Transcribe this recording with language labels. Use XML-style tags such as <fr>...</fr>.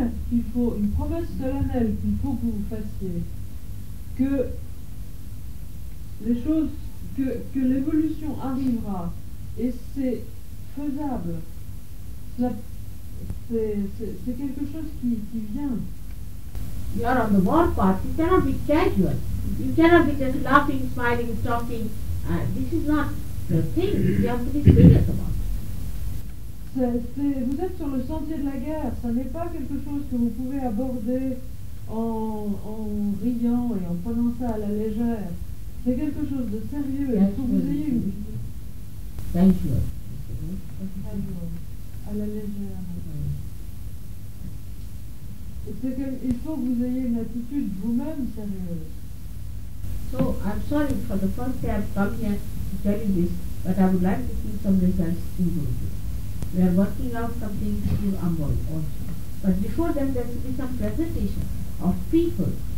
<fr>C'est une promesse solennelle qu'il faut que vous fassiez, que les choses, que l'évolution arrivera, et c'est faisable. C'est quelque chose qui vient.</fr> <en>You are on the war path, you cannot be casual. You cannot be just laughing, smiling, talking. This is not the thing. You have to be serious about it.</en> <fr>Vous êtes sur le sentier de la guerre. Ça n'est pas quelque chose que vous pouvez aborder en riant et en prenant ça à la légère. C'est quelque chose de sérieux. Il faut que vous ayez une vision.</fr> <en>Thank you.</en> <fr>À la légère. C'est qu'il faut que vous ayez une attitude vous-même sérieuse.</fr> <en>So I'm sorry for the first day I've come here to tell you this, but I would like to see some results in Bombay. We are working out something to Ambol also. But before then there should be some presentation of people</en>